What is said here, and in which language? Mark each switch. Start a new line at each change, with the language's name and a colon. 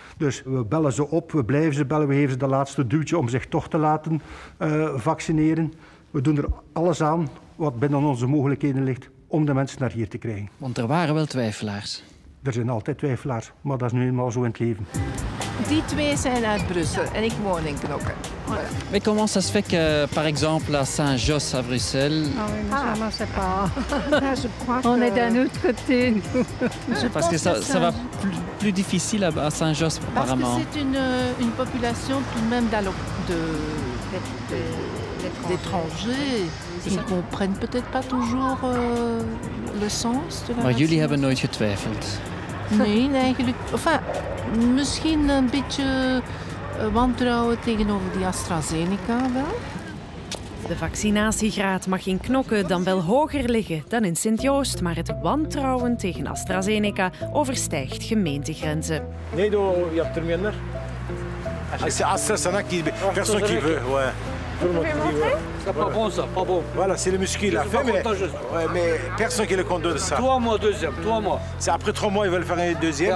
Dutch: Dus we bellen ze op, we blijven ze bellen. We geven ze de laatste duwtje om zich toch te laten vaccineren. We doen er alles aan wat binnen onze mogelijkheden ligt om de mensen naar hier te krijgen. Want er waren wel twijfelaars. Er zijn altijd twijfelaars, maar dat is nu eenmaal zo in het leven. die twee zijn uit Brussel en ik woon in Knokke.
French: Mais voilà. Comment ça se fait que, par exemple, à Saint-Jos à Bruxelles? Ah oui, mais ça, ah. Je ne sais pas. On est d'un autre côté. Parce que ça va plus difficile à Saint-Jos, apparemment. Parce que c'est une population tout de même d'étrangers. Ils ne comprennent peut-être pas toujours le sens de la.
Dutch: Maar jullie hebben nooit getwijfeld. Nee, eigenlijk. Enfin, misschien een beetje wantrouwen tegenover die AstraZeneca wel. De vaccinatiegraad mag in Knokke dan wel hoger liggen dan in Sint-Joost, maar het wantrouwen tegen AstraZeneca overstijgt gemeentegrenzen. Nee, je hebt er minder. Als je AstraZeneca hebt, dan zou je het willen.
French: C'est pas bon ça, pas bon. Voilà, c'est le muscle là. Mais personne qui le compte de ça. Trois mois. C'est après trois mois, ils veulent faire une deuxième.